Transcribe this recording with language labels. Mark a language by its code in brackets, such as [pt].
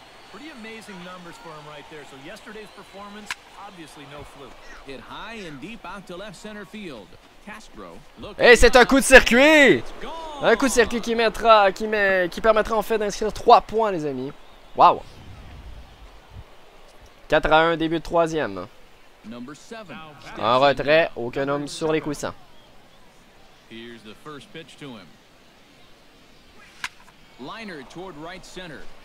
[en] Pretty amazing numbers for him right there. So yesterday's performance, obviously no fluke. Hit high and deep out to left center field. Castro. [fr] Hey, c'est un coup de circuit. Un coup de circuit qui permettra en fait d'inscrire 3 points, les amis. Wow. 4-1, début de troisième. [en] Number 7. [fr] Un retrait, aucun homme sur les coussins. [en] Here's the first pitch to him. Liner toward right center.